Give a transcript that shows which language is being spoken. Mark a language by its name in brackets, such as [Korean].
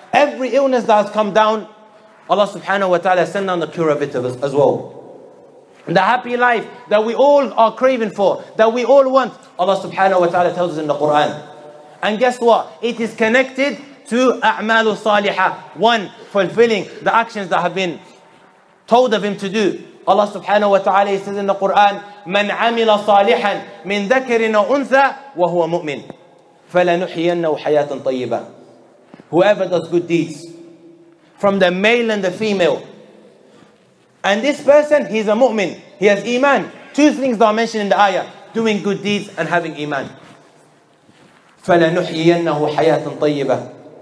[English] Every illness that has come down, Allah subhanahu wa ta'ala send down the cure of it as well. The happy life that we all are craving for, that we all want, Allah subhanahu wa ta'ala tells us in the Quran. And guess what? It is connected to [Arabic] أَعْمَالُ صَالِحَةً. [English] One, fulfilling the actions that have been told of him to do. Allah subhanahu wa ta'ala says in the Quran, [Arabic] مَنْ عَمِلَ صَالِحًا مِنْ ذَكَرٍ وَأُنْثَى وَهُوَ مُؤْمِنٌ فَلَنُحْيَنَّهُ حَيَاةً طَيِّبًا. [English] Whoever does good deeds, from the male and the female. And this person, he's a mu'min, he has iman. Two things that are mentioned in the ayah, doing good deeds and having iman. [Arabic] فَلَنُحْيَنَّهُ حَيَاةً طَيِّبًا.